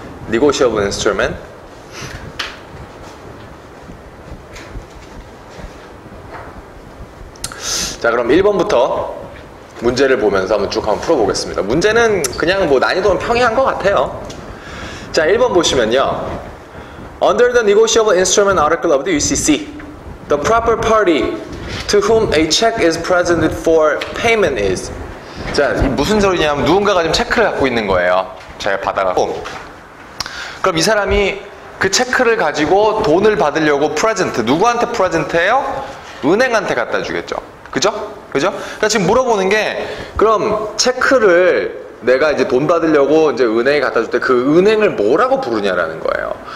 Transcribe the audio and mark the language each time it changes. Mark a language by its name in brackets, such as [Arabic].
[English] Negotiable Instrument. [Korean] 자, 그럼 1번부터 문제를 보면서 한번 쭉 한번 풀어보겠습니다. 문제는 그냥 뭐 난이도는 평이한 것 같아요. 자, 1번 보시면요. [English] Under the Negotiable Instrument Article of the UCC, the proper party to whom a check is presented for payment is. [Korean] 자, 무슨 소리냐면 누군가가 지금 체크를 갖고 있는 거예요. 제가 받아갖고. 그럼 이 사람이 그 체크를 가지고 돈을 받으려고 프레젠트, 누구한테 프레젠트해요? 은행한테 갖다 주겠죠. 그죠? 그죠? 그러니까 지금 물어보는 게, 그럼 체크를 내가 이제 돈 받으려고 이제 은행에 갖다 줄 때 그 은행을 뭐라고 부르냐라는 거예요.